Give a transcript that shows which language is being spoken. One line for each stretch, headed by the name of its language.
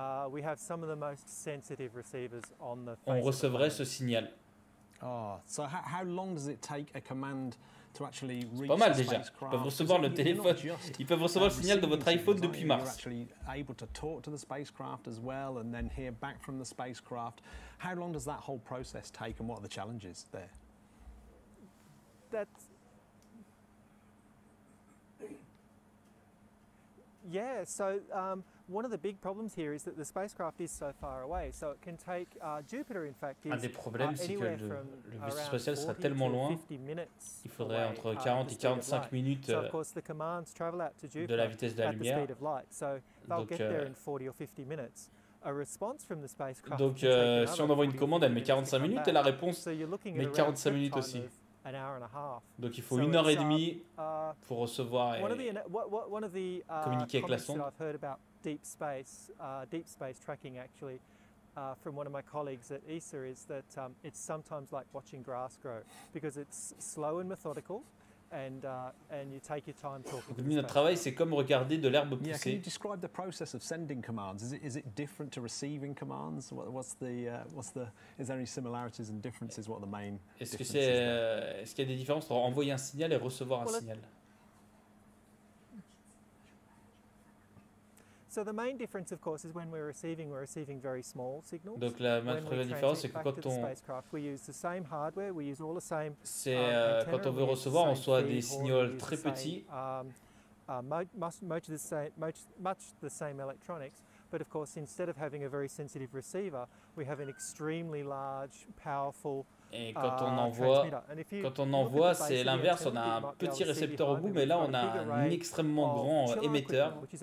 English: we have some of the most sensitive receivers on the face.
French: On recevrait ce signal.
English: Oh, so how long does it take a command? To actually reach
French: c'est pas mal déjà. Ils peuvent recevoir le téléphone. Ils peuvent recevoir le signal de votre iPhone depuis Mars.
English: You're actually able to talk to the spacecraft as well, and then hear back from the spacecraft. How long does that whole process take, and what are the challenges there? That's Yeah, so one of the big problems here is that the spacecraft is so far away, so it can take Jupiter, in fact, is anywhere from around 40-50 minutes away.
French: Il faudrait entre 40 et 45 minutes.
English: So of course the commands travel out to Jupiter at the speed of light, so they'll get there in 40 or 50 minutes. A response from the spacecraft.
French: Donc si on envoie une commande, elle met 45 minutes et la réponse met 45 minutes aussi.
English: An hour and a half.
French: Donc il faut une heure et demie pour recevoir et communiquer avec la sonde.
English: I've heard about deep space tracking actually from one of my colleagues at ESA is that it's sometimes like watching grass grow because it's slow and methodical. And you take your time talking.
French: Donc, notre travail, c'est comme regarder de l'herbe pousser.
English: Yeah, can you describe the process of sending commands? Is it different to receiving commands? Is there any similarities and differences? What are the main?
French: Est-ce qu'il y a des différences entre envoyer un signal et recevoir un signal?
English: So the main difference, of course, is when we're receiving very small signals.
French: Donc la première différence, c'est que quand on
English: we use the same hardware, we use all the same.
French: C'est quand on veut recevoir, on reçoit des signaux très petits.
English: Much the same electronics, but of course, instead of having a very sensitive receiver, we have an extremely large, powerful.
French: Et quand on envoie, c'est l'inverse, on a un petit récepteur au bout, mais là on a un extrêmement grand émetteur.